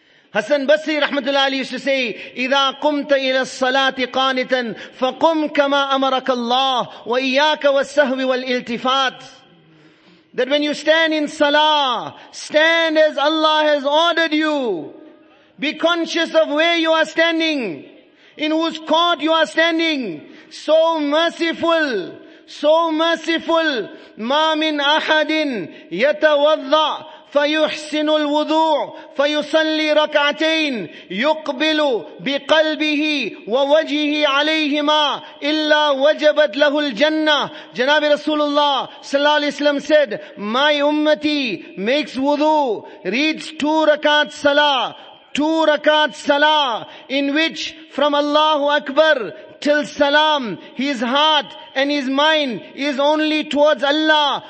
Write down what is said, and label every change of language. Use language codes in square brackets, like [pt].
[en] Hassan Basri rahmatullah alayhi used to say, [ar] إِذَا قُمْتَ إِلَى الصَّلَاةِ قَانِتًا فَقُمْ كَمَا أَمَرَكَ اللَّهِ وَإِيَّاكَ وَالسَّهْوِ وَالْإِلْتِفَاتِ [en] That when you stand in salah, stand as Allah has ordered you. Be conscious of where you are standing, in whose court you are standing. So merciful. So merciful, [ar] ما من أحد يتوضأ فيحسن الوضوء فيصلي ركعتين يقبل بقلبه ووجهه عليهما إلا وجبت له الجنة. جناب رسول الله صلى الله عليه وسلم [en] said, My ummati makes wudu, reads two rakat salah, two rakat salah, in which from Allahu Akbar till salam, his heart and his mind is only towards Allah.